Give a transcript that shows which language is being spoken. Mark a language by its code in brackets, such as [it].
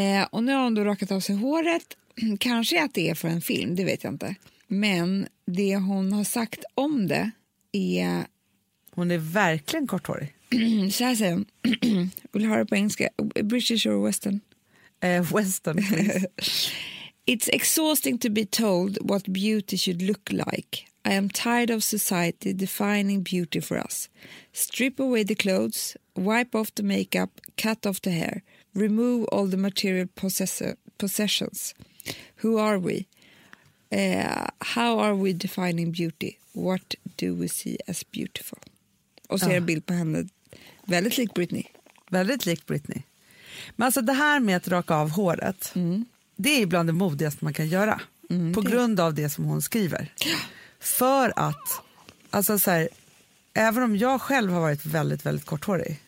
[sv] Och nu har hon då rakat av sig håret. Kanske att det är för en film, det vet jag inte. Men det hon har sagt om det är... Hon är verkligen korthårig. Så här säger hon. Vill du höra på engelska? [en] British or Western? Western, it's exhausting to be told what beauty should look like. I am tired of society defining beauty for us. Strip away the clothes, wipe off the makeup, cut off the hair, remove all the material possessions. Who are we? How are we defining beauty? What do we see as beautiful? [sv] Och så är en bild på henne. Väldigt lik Britney. Väldigt lik Britney. Men alltså det här med att raka av håret, det är ibland det modigaste man kan göra. Mm, på grund av det som hon skriver. Ja. För att, alltså så här, även om jag själv har varit väldigt, väldigt korthårig.